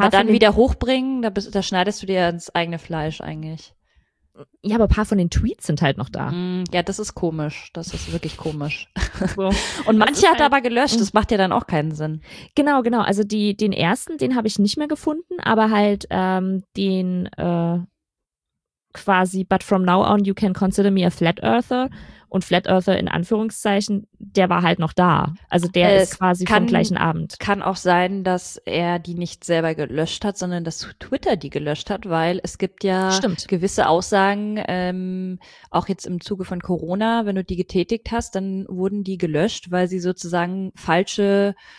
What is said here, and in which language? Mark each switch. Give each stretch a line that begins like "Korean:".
German: aber dann wieder hochbringen, da schneidest du dir ins eigene Fleisch eigentlich. Ja, aber ein paar von den Tweets sind halt noch da. Ja, das ist komisch. Das ist wirklich komisch. So. Und manche hat er aber gelöscht. Das macht ja dann auch keinen Sinn. Genau. Also den ersten, den habe ich nicht mehr gefunden. Aber halt den quasi,
English: but from now on you can consider me a flat earther.
German: Und flat earther in Anführungszeichen, der war halt noch da. Also der ist quasi vom gleichen Abend. Kann auch sein, dass er die nicht selber gelöscht hat, sondern dass Twitter die gelöscht hat, weil es gibt ja gewisse Aussagen, auch jetzt im Zuge von Corona, wenn du die getätigt hast, dann wurden die gelöscht, weil sie sozusagen falsche